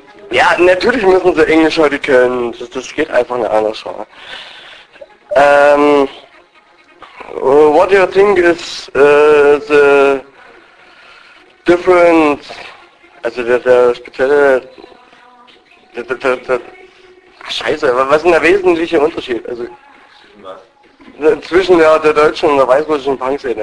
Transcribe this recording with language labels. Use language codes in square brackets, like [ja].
[de] Ja, natürlich müssen sie Englisch heute können. Das geht einfach eine andere Show. [en] What do you think is the difference? [de] Also der spezielle. Scheiße, was ist denn der wesentliche Unterschied? Also zwischen der deutschen und der weißrussischen Punkszene.